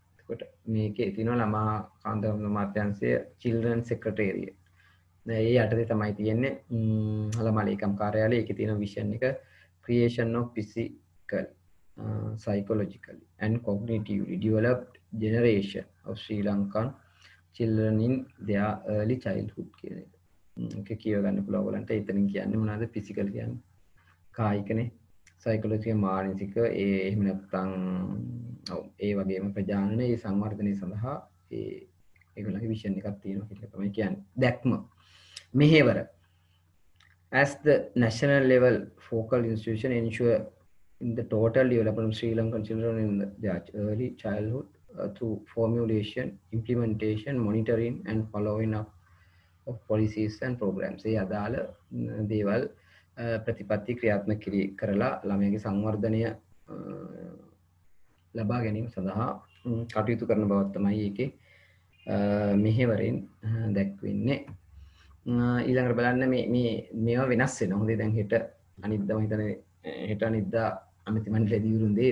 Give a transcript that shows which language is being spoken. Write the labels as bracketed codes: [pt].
[si] එතකොට මේකේ තියෙනවා ළමා කාන්දම් අමාත්‍යාංශය චිල්ඩ්‍රන් සෙක්‍රටේරියට්. ඒ යටතේ තමයි තියෙන්නේ ළමා ලේකම් කාර්යාලය. ඒකේ තියෙන [en] vision එක creation of physical psychologically and cognitively developed generation of Sri Lankan children in their early childhood [si] කියන එක. මේක කියව ගන්න පුළුවන් ඔයගලන්ට. එතනින් කියන්නේ මොනවද? physical කියන්නේ කායිකනේ, psychology මානසික, ඒ එහෙම නැත්නම් ඔව් ඒ වගේම ප්‍රජානන ඒ සංවර්ධනය සඳහා ඒගොල්ලන්ගේ vision එකක් තියෙනවා කියලා තමයි කියන්නේ. දැක්ම මෙහෙවර [en] as the national level focal institution ensure in the total development of Sri Lankan children in their early childhood through formulation, implementation, monitoring and following up of policies and programs. [si] ඒ අදාළ දේවල් ප්‍රතිපත්ති ක්‍රියාත්මක කරලා ළමයාගේ සංවර්ධනය ලබා ගැනීම සඳහා කටයුතු කරන බවත් තමයි ඒකේ මෙහෙවරෙන් දැක්වෙන්නේ. ඊළඟට බලන්න මේ මේ මේවා වෙනස් වෙන. හොඳේ දැන් හෙට අනිද්දා හිතන්නේ හෙට අනිද්දා අමිති මණ්ඩලයේ දියුරුන් දෙයි.